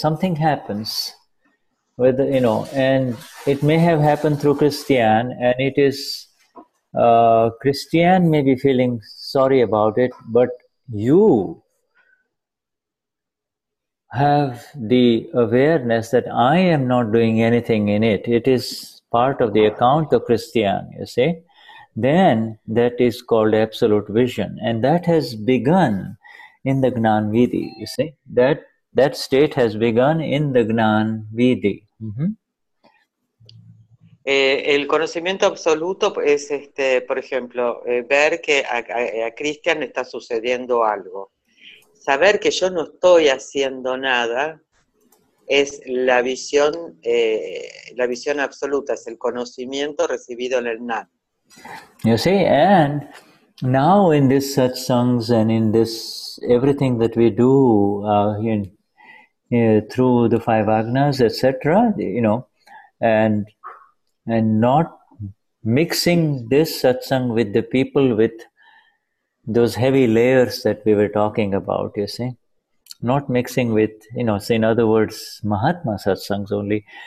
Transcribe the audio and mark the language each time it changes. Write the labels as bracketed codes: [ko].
[en] Something happens, whether you know, and it may have happened through Christian, and it is Christian may be feeling sorry about it, but you have the awareness that I am not doing anything in it. It is part of the account of Christian. You see, then that is called absolute vision, and that has begun. In the Gnan Vidhi, you see, that state has begun in the Gnan Vidhi. [es] El conocimiento absoluto es por ejemplo, ver que a Christian está sucediendo algo. Saber que yo no estoy haciendo nada es la visión absoluta, es el conocimiento recibido en el Gnan. [en] You see, and now in this satsangs and in this everything that we do through the five agnas, etc., you know, and not mixing this satsang with the people with those heavy layers that we were talking about, you see, not mixing with, you know, say in other words, Mahatma satsangs only.